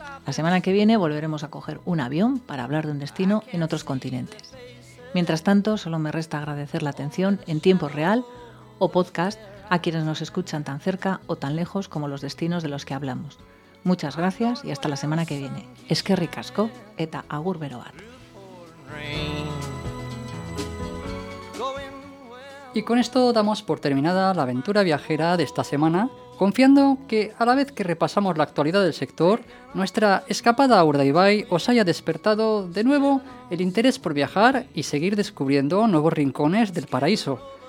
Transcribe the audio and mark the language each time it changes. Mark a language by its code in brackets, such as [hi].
[es] La semana que viene volveremos a coger un avión para hablar de un destino en otros continentes. Mientras tanto, solo me resta agradecer la atención en tiempo real o podcast a quienes nos escuchan tan cerca o tan lejos como los destinos de los que hablamos. Muchas gracias y hasta la semana que viene. [eu] Eskerrik asko eta agur beroat. [es] Y con esto damos por terminada la aventura viajera de esta semana, confiando que a la vez que repasamos la actualidad del sector, nuestra escapada a Urdaibai os haya despertado de nuevo el interés por viajar y seguir descubriendo nuevos rincones del paraíso.